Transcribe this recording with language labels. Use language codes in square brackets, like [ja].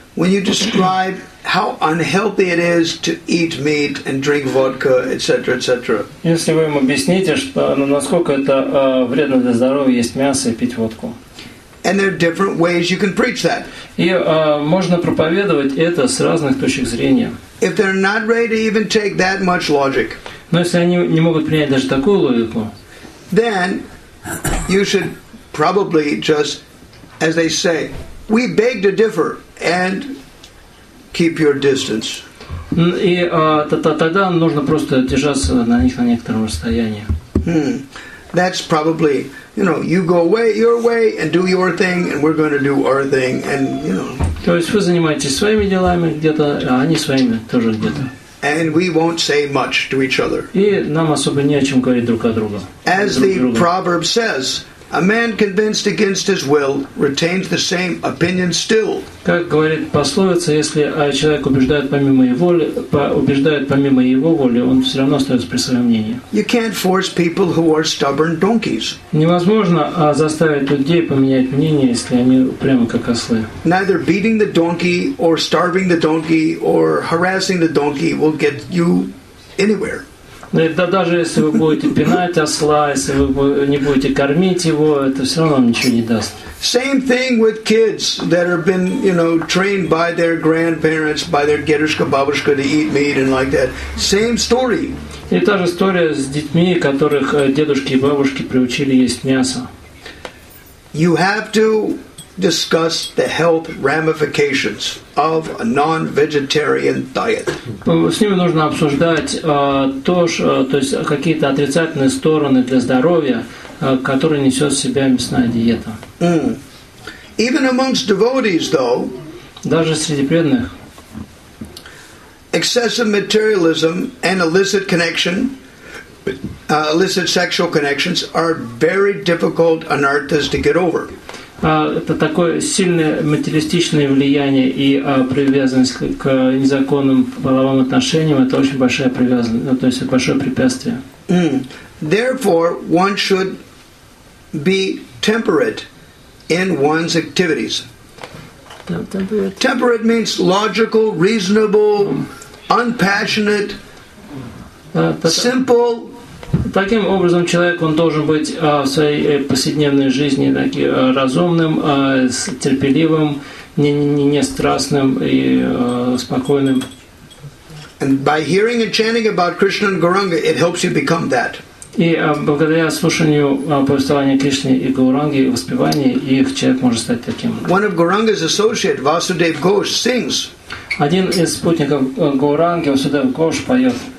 [en] When you describe how unhealthy it is to eat meat and drink vodka, etc., etc. [ru] Если вы им объясните, что насколько это вредно для здоровья есть мясо и пить водку. [en] And there are different ways you can preach that. [ru] И можно проповедовать это с разных точек зрения. [en] If they're not ready to even take that much logic. [ru] Но если они не могут принять даже такую логику. [en] Then you should probably just, as they say, we beg to differ and keep your distance. [ru] И тогда нужно просто держаться на них на некотором расстоянии. [en] That's probably, you know, you go away your way and do your thing, and we're going to do our thing, and you know. [ru] То есть вы занимаетесь своими делами где-то, а они своими тоже где-то. [en] And we won't say much to each other. [ru] И нам особо не о чем говорить друг о друга. [en] As the proverb says, a man convinced against his will retains the same opinion still. [ru] Как говорит пословица, если человек убеждает помимо его воли, он все равно остается при своем мнении. [en] You can't force people who are stubborn donkeys. [ru] Невозможно заставить людей поменять мнение, если они прямо как ослы. [en] Neither beating the donkey or starving the donkey or harassing the donkey will get you anywhere. [ru] Да даже если вы будете пинать осла, если вы не будете кормить его, это все равно вам ничего не даст. [en] Same thing with kids that have been, you know, trained by their grandparents, by their [ru] дедушка, бабушка [en] to eat meat and like that. Same story. [ru] И та же история с детьми, которых дедушки и бабушки приучили есть мясо. [en] You have to discuss the health ramifications of a non-vegetarian diet. [ru] С ними нужно обсуждать то есть какие-то отрицательные стороны для здоровья, которые несет в себе мясная диета. [en] Even amongst devotees, though, [ru] даже среди преданных, [en] excessive materialism and illicit connection illicit sexual connections are very difficult anarthas to get over. [ru] Это такое сильное материалистичное влияние и привязанность к незаконным половым отношениям. Это очень большая привязанность, то есть большое препятствие. [en] Therefore, one should be temperate in one's activities. Temperate means logical, reasonable, unpassionate, simple. [ru] Таким образом, человек он должен быть в своей повседневной жизни разумным, терпеливым, не страстным и спокойным. [en] And by hearing and chanting about Krishna and Gauranga, it helps you become that. [ru] И благодаря слушанию повествования Кришны и Гауранги, воспевания их, человек может стать таким. [en] One of Gauranga's associates, Vasudev Ghosh, sings. [ru] Один из спутников Гауранги, Васудев Гош, поет.